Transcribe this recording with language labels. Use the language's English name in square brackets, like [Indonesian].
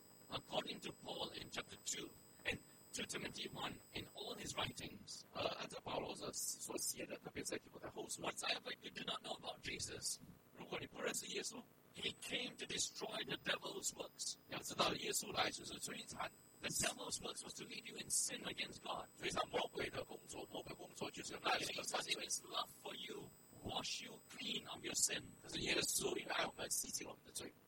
[English] ？According to Paul in chapter 2 and 2 Timothy 1 in all his writings， [Chinese] 按照保罗所写的，特别在提摩太后书 [English] ，Whatever you do not know about Jesus， [Chinese] 如果你不认识耶稣 [English] ，He came to destroy the devil's works。 [Chinese] 要知道，耶稣来就是摧残。 [English] The devil's works was to lead you in sin against God。 [Chinese] 摧残魔鬼的工作，魔鬼工作就是那些杀戮。 [English] His love for you。 Wash you clean of your sin. [Chinese] 可是耶稣也爱我们，洗净我们的罪。